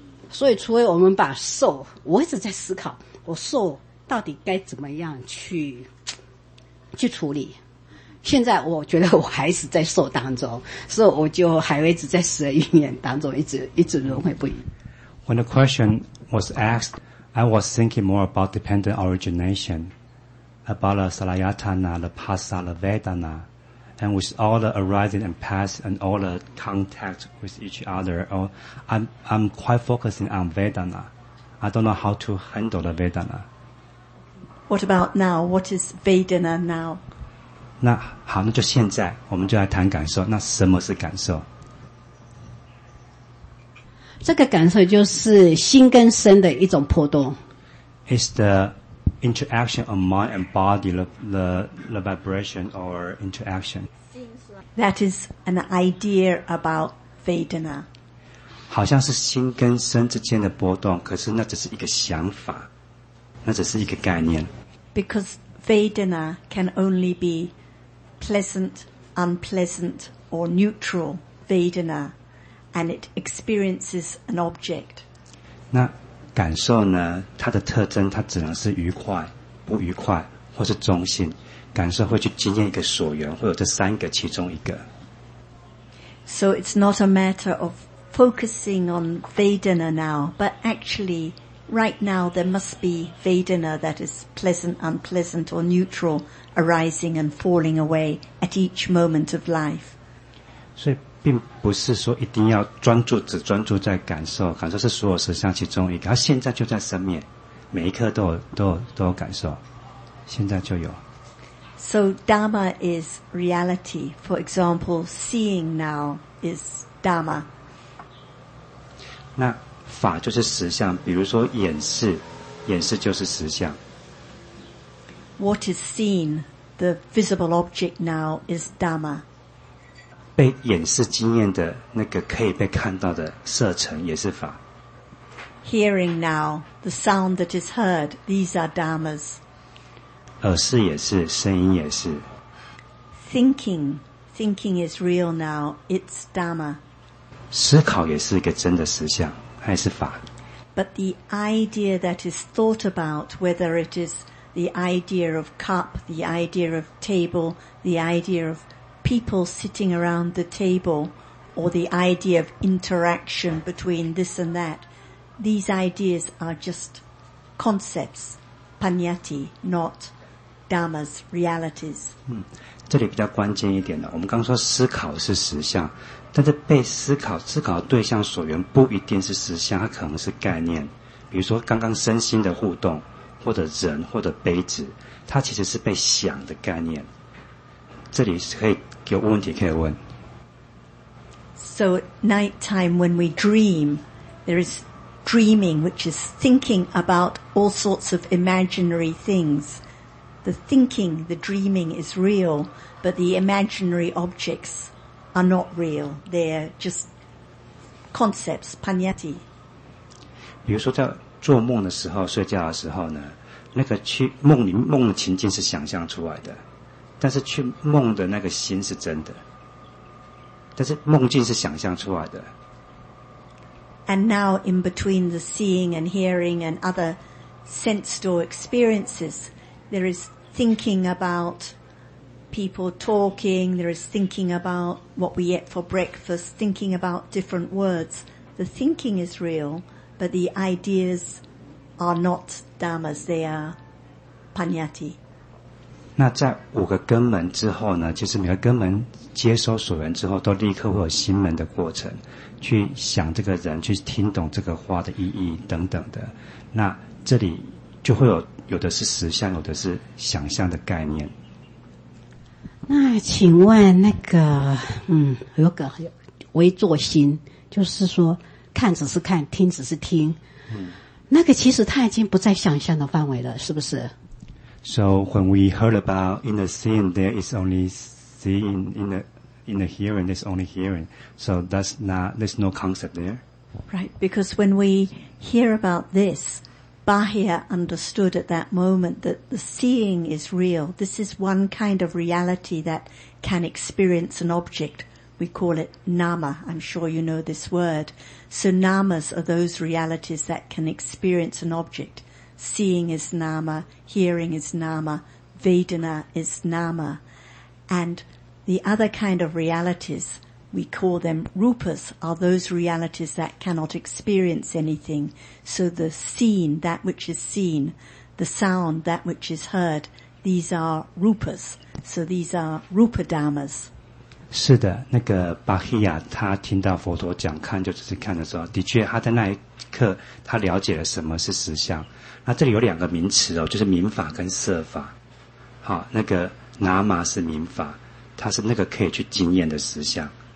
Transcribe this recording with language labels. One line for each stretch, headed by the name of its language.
Chinese: 所以除非我们把受，我一直在思考我受到底该怎么样去处理。现在我觉得我还是在受当中，所以我就还一直在十二因缘当中一直轮回不已。
English: When the question was asked, I was thinking more about dependent origination, about the salayatana, the pasa, the vedana, and with all the arising and past and all the contact with each other, I'm quite focusing on vedana. I don't know how to handle the vedana. What about now? What is vedana now?
Chinese: 那好，那就现在我们就来谈感受。那什么是感受？这个感受就是心跟身的一种波动。
English: It's the interaction of mind and body, the vibration or interaction. That is an idea about Vedana.
Chinese: 好像是心跟身之间的波动，可是那只是一个想法，那只是一个概念。
English: Because Vedana can only bePleasant, unpleasant, or neutral Vedana, and it experiences an object.
Chinese: 那感受呢？它的特征，它只能是愉快、不愉快，或是中性。感受会去经验一个所缘，会有这三个其中一个。
English: So it's not a matter of focusing on Vedana now, but actually, right now there must be Vedana that is pleasant, unpleasant, or neutral. Arising and falling away at each moment of life.
Chinese: 所以并不是说一定要专注，只专注在感受。感受是所有实相其中一个，它现在就在生灭，每一刻都有感受，现在就有。
English: So Dhamma is reality. For example, seeing now is Dhamma.
Chinese: 那法就是实相，比如说眼识，眼识就是实相。
English: What is seen, the visible object now, is Dhamma.
Chinese: 被演示经验的那个可以被看到的色尘也是法。
English: Hearing now, the sound that is heard, these are Dhammas.
Chinese: 耳识也是，声音也是。
English: Thinking is real now, it's Dhamma.
Chinese: 思考也是一个真的实相，它也是法。
English: But the idea that is thought about, whether it isThe idea of cup, the idea of table, the idea of people sitting around the table, or the idea of interaction between this and that. These ideas are just concepts, panyati, not dhammas, realities.
Chinese: 这里比较关键一点的，我们刚说思考是实相，但是被思考对象所缘不一定是实相，它可能是概念。比如说刚刚身心的互动。或者人或者杯子，它其实是被想的概念。这里可以有问题可以问。
English: So at night time when we dream, there is dreaming which is thinking about all sorts of imaginary things. The thinking, the dreaming is real, but the imaginary objects are not real. They're just concepts, panyati.
Chinese: 比如说在做梦的时候，睡觉的时候呢，那个去梦里梦的情境是想象出来的，但是去梦的那个心是真的，但是梦境是想象出来的。
English: And now in between the seeing and hearing and other sense door experiences. There is thinking about people talking, there is thinking about what we ate for breakfast, thinking about different words. The thinking is real, but the ideas are not dhammas, they are panyati.
Chinese: 那在五个根门之后呢，就是每个根门接收所缘之后，都立刻会有心门的过程，去想这个人，去听懂这个话的意义等等的。那这里就会有的是实相，有的是想象的概念。那请问那个，有个微作心，就是说看只是看，听只是听，那个其实他已经不在想象的范围了，是不是？
English: So when we heard about in the seeing, there is only seeing, in the hearing, there's only hearing. So there's no concept there. Right, because when we hear about this, Bahia understood at that moment that the seeing is real. This is one kind of reality that can experience an object. We call it nama. I'm sure you know this word. So namas are those realities that can experience an object. Seeing is nama, hearing is nama, vedana is nama. And the other kind of realities, we call them rupas, are those realities that cannot experience anything. So the seen, that which is seen, the sound, that which is heard, these are rupas. So these are rupa dhammas.
Chinese: 是的，那个巴希亚他听到佛陀讲看就只是看的时候，的确他在那一刻他了解了什么是实相。那这里有两个名词哦，就是明法跟色法。好，那个拿玛是明法，它是那个可以去经验的实相。